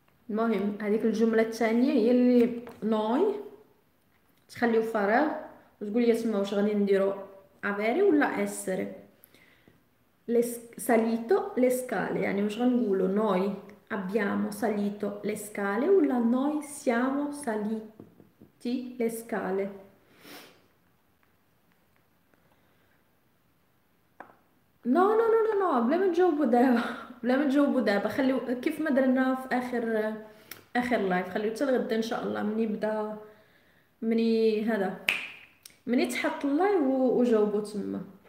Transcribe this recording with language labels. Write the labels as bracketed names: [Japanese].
[Arabic] المهم هذيك الجملة الثانية هي اللي نوي تخليو فراغ وتقولي اسمها واش غادي نديرو افيري ولا اسري. ساليتو لسكال يعني واش غنقولو نوي [Italian] abbiamo salito le scale o noi siamo saliti le scale. [Arabic] No, بلا ما نجاوبو دابا، بلا ما نجاوبو دابا، خليو كيف ما درنا في اخر لايف، خليو حتى الغدا ان شاء الله مني بدا مني هذا مني تحط اللايف وجاوبو تما.